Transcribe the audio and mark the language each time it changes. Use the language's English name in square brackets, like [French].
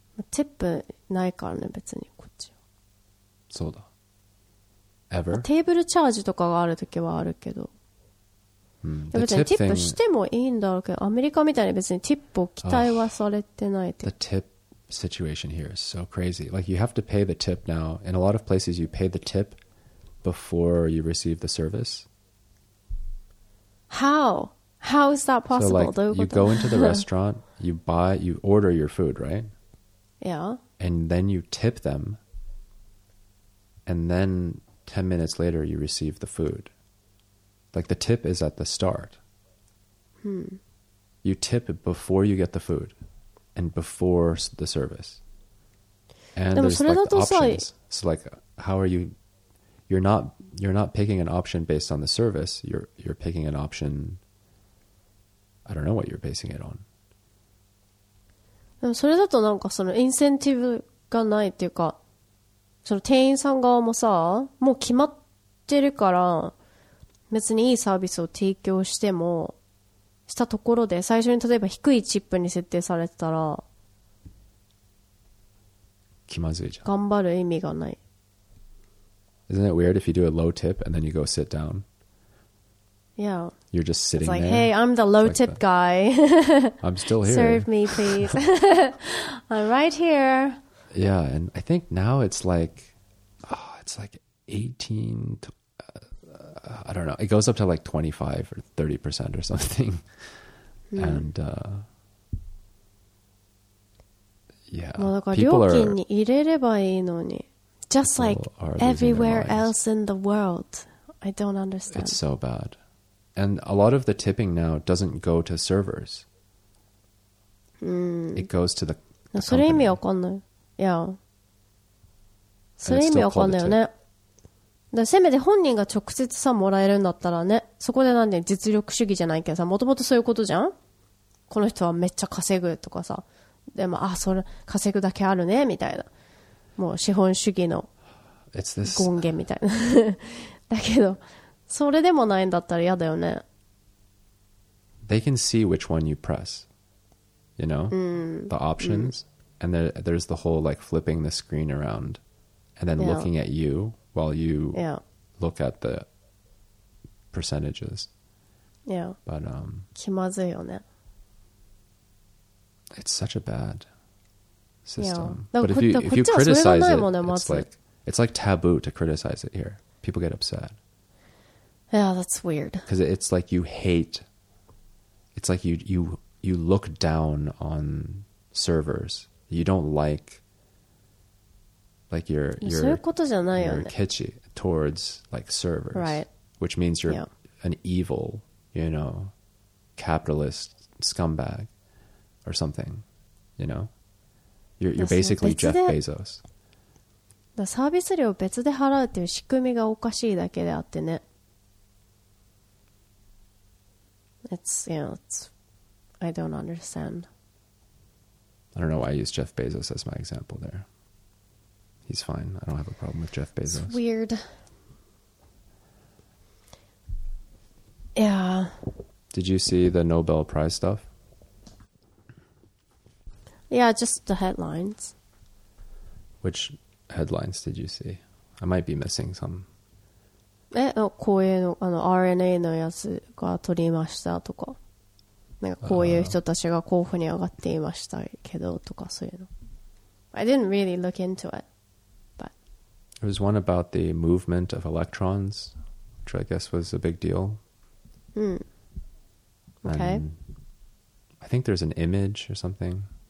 [Japanese] tip ないからね、別に、こっちは。そうだ。 [English] Ever? [Japanese] テーブルチャージとかがあるときはあるけど。うん、別にティップしてもいいんだろうけど、アメリカみたいに別にティップを期待はされてないって。 [English] The tip situation here is so crazy. Like, you have to pay the tip now. In a lot of places, you pay the tip before you receive the service. How? How is that possible? So, like, you go into the restaurant, you order your food, right? Yeah. And then you tip them. And then 10 minutes later, you receive the food. Like, the tip is at the start. You tip before you get the food and before the service. And there's like the options. So, like, how are you? You're not picking an option based on the service. You're picking an option. I don't know what you're basing it on. [Japanese] でもそれだとなんかそのインセンティブがないっていうか、その店員さん側もさ、もう決まってるから、別にいいサービスを提供してもしたところで最初に例えば低いチップに設定されてたら気まずいじゃん。頑張る意味がない。 [English] Isn't it weird if you do a low tip and then you go sit down? Yeah. You're just sitting there. It's like, there. Hey, I'm the low tip guy. I'm still here. Serve me, please. I'm right here. Yeah, and I think now it's like, oh, it's like 18 to... I don't know. It goes up to like 25 or 30% or something. And, people are... [Japanese] 料金に入れればいいのに。 [English] Just like everywhere else in the world. I don't understand. It's so bad. And a lot of the tipping now doesn't go to servers. It goes to the company. [Japanese] それ意味わかんない。 [English] Yeah. [Japanese] それ意味わかんないよね。だせめて本人が直接さもらえるんだったらね、そこでなんで実力主義じゃないけどさ、もともとそういうことじゃん。この人はめっちゃ稼ぐとかさ、でもあそれ稼ぐだけあるねみたいな、もう資本主義の権限みたいな。だけどそれでもないんだったら嫌だよね。 [English] They can see which one you press, you know, the options, and there's the whole like flipping the screen around, and then looking at you. While you look at the percentages. Yeah. But [Japanese] 気まずいよね. [English] It's such a bad system. Yeah. But if you criticize it, it's like taboo to criticize it here. People get upset. Yeah, that's weird. Because it's like you hate. It's like you look down on servers. You don't like. Like you're kitschy towards like servers, right? Which means you're an evil, you know, capitalist scumbag or something, you know. You're basically Jeff Bezos. The service fee [Japanese] 別で払うっていう仕組みがおかしいだけであってね。 [English] It's I don't understand. I don't know why I use Jeff Bezos as my example there. He's fine. I don't have a problem with Jeff Bezos. It's weird. Yeah. Did you see the Nobel Prize stuff? Yeah, just the headlines. Which headlines did you see? I might be missing some. [Japanese] こういうの、あの、RNA のやつが取りましたとか。なんかこういう人たちが候補に上がっていましたけどとかそういうの。 [English] I didn't really look into it. There was one about the movement of electrons, which I guess was a big deal. Hmm. Okay. And I think there's an image or something.